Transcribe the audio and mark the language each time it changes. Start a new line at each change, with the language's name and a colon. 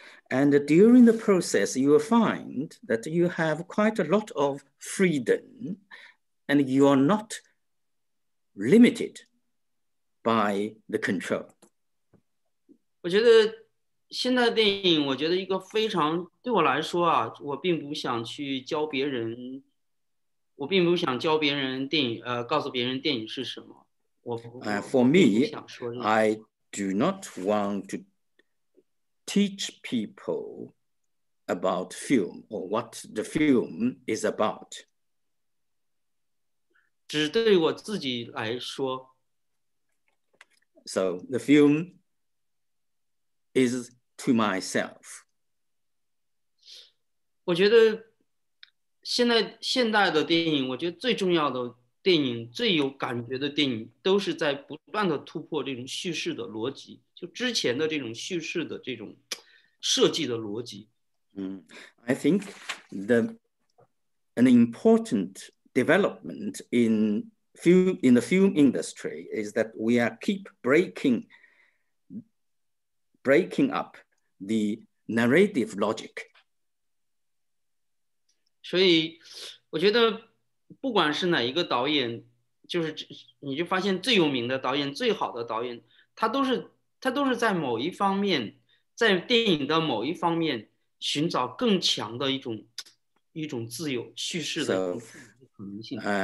English: And during the process, you will find that you have quite a lot of freedom and you are not limited by the control.
Chinese: 我觉得现在电影，我觉得一个非常，对我来说啊，我并不想教别人电影，告诉别人电影是什么。
English: For me, I do not want to teach people about film or what the film is about.
Chinese: 只对我自己来说。
English: So the film is to myself.
Chinese: 我觉得现代的电影，我觉得最重要的电影，最有感觉的电影，都是在不断的突破这种叙事的逻辑，就之前的这种叙事的这种设计的逻辑。
English: I think an important development in the film industry is that we are keep breaking up the narrative logic.
Chinese: 所以我觉得不管是哪一个导演，就是你就发现最有名的导演，最好的导演，他都是在某一方面，在电影的某一方面寻找更强的一种自由叙事的可能性。